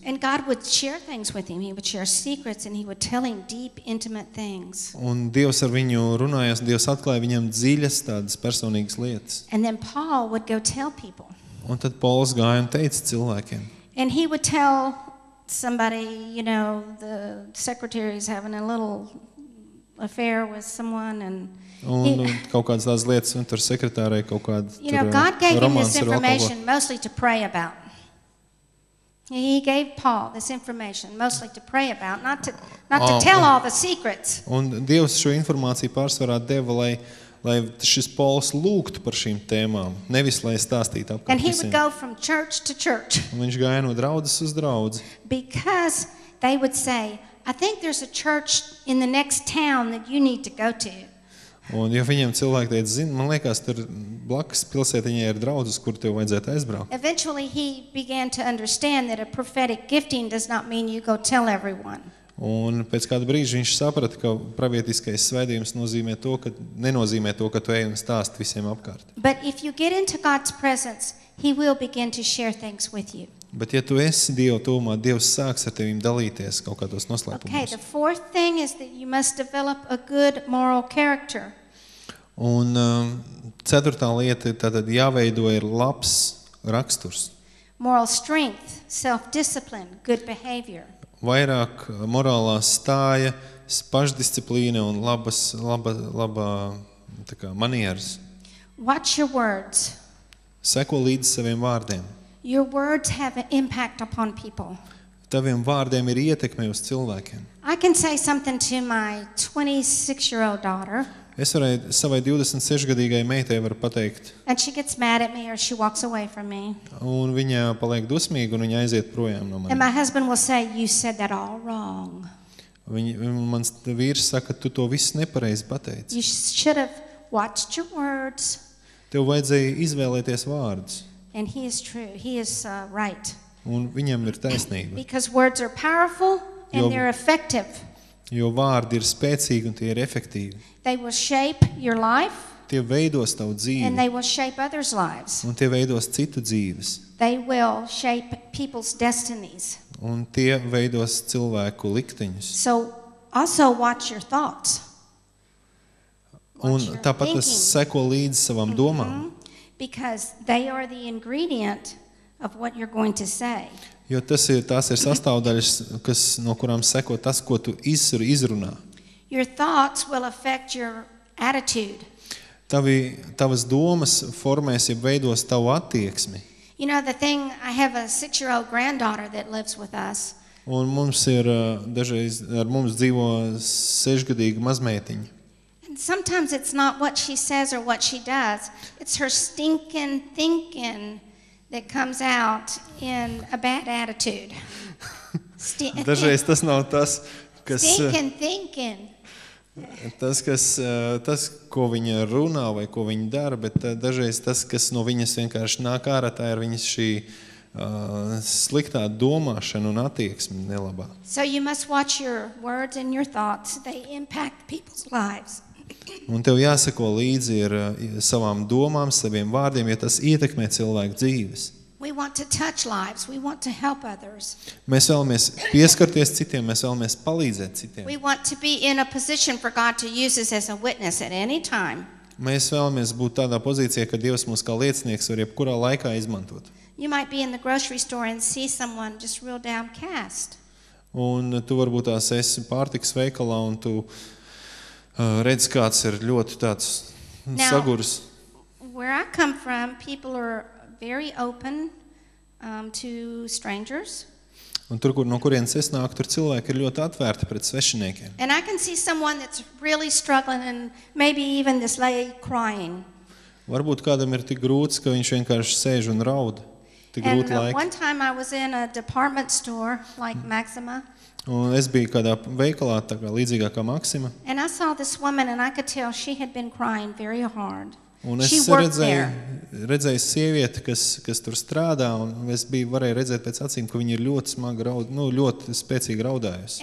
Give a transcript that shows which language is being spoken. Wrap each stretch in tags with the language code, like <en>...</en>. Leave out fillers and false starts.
<en>And God would share things with him. He would share secrets and he would tell him deep, intimate things.</en> <lv>Un Dievs ar viņu runājās, Dievs atklāja viņam dziļas tādas personīgas lietas.</lv> <en>And then Paul would go tell people.</en> <lv>Un tad Pauls gāja un teica cilvēkiem.</lv> <en>And he would tell somebody, you know, the secretary is having a little affair with someone and</en> <lv>un kaut kādas tās lietas, un tur sekretārei kaut kāda tur.</lv> <en>You know, God gave him this information mostly to pray about. He gave Paul this information mostly to pray about, not to tell all the secrets.</en> <lv>Un Dievs šo informāciju pārsvarā deva, lai šis Pauls lūgtu par šīm tēmām, nevis lai stāstītu apkārt visiem.</lv> <en>And he would go from church to church.</en> <lv>Un viņš gāja no draudzes uz draudzi.</lv> <en>Because they would say, I think there's a church in the next town that you need to go to.</en> <lv>Un ja viņiem cilvēki teica, zini, man liekas, tur blakas pilsētiņai ir draudzes, kur tev vajadzētu aizbraukt.</lv> <en>Eventually he began to understand that a prophetic gifting does not mean you go tell everyone.</en> <lv>Un pēc kāda brīža viņš saprata, ka pravietiskais svētījums nozīmē to, ka nenozīmē to, ka tu ej un stāsti visiem apkārt.</lv> <en>But if you get into God's presence, he will begin to share things with you.</en> <lv>Bet ja tu esi Dieva tūmā, Dievs sāks ar tevim dalīties kaut kādos noslēpumos.</lv> <en>Okay, the fourth thing is that you must develop a good moral character.</en> <lv>Un ceturtā lieta, tātad jāveido ir labs raksturs.</lv> <en>Moral strength, self-discipline, good behavior.</en> <lv>Vairāk morālā stāja, pašdisciplīna un labā, tā kā manieras.</lv> <en>Watch your words.</en> <lv>Seko līdz saviem vārdiem.</lv> <en>Your words have an impact upon people.</en> <lv>Taviem vārdiem ir ietekme uz cilvēkiem.</lv> <en>I can say something to my 26-year-old daughter.</en> <lv>Es varēju savai 26-gadīgai meitai varu pateikt.</lv> <en>And she gets mad at me or she walks away from me.</en> <lv>Un viņa paliek dusmīga un viņa aiziet projām no manis.</lv> <en>And my husband will say, you said that all wrong.</en> <lv>Mans vīrs saka, tu to viss nepareizi pateici.</lv> <en>You should have watched your words.</en> <lv>Tev vajadzēja izvēlēties vārdus.</lv> <en>And he is true. He is right.</en> <lv>Un viņam ir taisnība.</lv> <en>Because words are powerful and they're effective.</en> <lv>Jo vārdi ir spēcīgi un tie ir efektīvi.</lv> <en>They will shape your life.</en> <lv>Tie veidos tavu dzīvi.</lv> <en>And they will shape others' lives.</en> <lv>Un tie veidos citu dzīves.</lv> <en>They will shape people's destinies.</en> <lv>Un tie veidos cilvēku likteņus.</lv> <en>So also watch your thoughts.</en> <lv>Un tāpat tas seko līdz savam domām.</lv> <en>Because they are the ingredient of what you're going to say.</en> <lv>Jo tās ir sastāvdaļas, kas no kurām seko tas, ko tu izrunā.</lv> <en>Your thoughts will affect your attitude.</en> <lv>Tavas domas formēs jeb veidos tavu attieksmi.</lv> <en>You know the thing, I have a 6-year-old granddaughter that lives with us.</en> <lv>Un mums ir dažreiz ar mums dzīvo 6-gadīga mazmeitiņa.</lv> <en>Sometimes it's not what she says or what she does. It's her stinking thinking that comes out in a bad attitude.</en> <lv>Dažreiz tas nav tas, kas...</lv> <en>Stinking thinking.</en> <lv>Tas, ko viņa runā vai ko viņa dara, bet dažreiz tas, kas no viņas vienkārši nāk ārā, tā ir viņas šī sliktā domāšana un attieksme nelabā.</lv> <en>So you must watch your words and your thoughts. They impact people's lives.</en> <lv>Un tev jāseko līdzi ir savām domām, saviem vārdiem, ja tas ietekmē cilvēku dzīves.</lv> <en>We want to touch lives, we want to help others.</en> <lv>Mēs vēlamies pieskarties citiem, mēs vēlamies palīdzēt citiem.</lv> <en>We want to be in a position for God to use us as a witness at any time.</en> <lv>Mēs vēlamies būt tādā pozīcijā, ka Dievs mūs kā liecinieks var jebkurā laikā izmantot.</lv> <en>You might be in the grocery store and see someone just real downcast.</en> <lv>Un tu varbūt tās esi pārtikas veikalā un tu redz, kāds ir ļoti tāds sagurs.</lv> <en>Now, where I come from, people are very open to strangers.</en> <lv>Un tur, kur, no kurienes es nāku, tur cilvēki ir ļoti atvērti pret svešiniekiem.</lv> <en>And I can see someone that's really struggling and maybe even this lady crying.</en> <lv>Varbūt kādam ir tik grūts, ka viņš vienkārši sēž un raud. Tik grūti laiki.</lv> <en>And one time I was in a department store like Maxima.</en> <lv>Un es biju kādā veikalā, tā kā līdzīgā kā Maxima.</lv> <en>And I saw this woman and I could tell she had been crying very hard.</en> <lv>Un es redzēju sievieti, kas tur strādā, un es biju varēju redzēt pēc acīm, ka viņa ir ļoti smaga raud, nu, ļoti spēcīga raudājusi.</lv>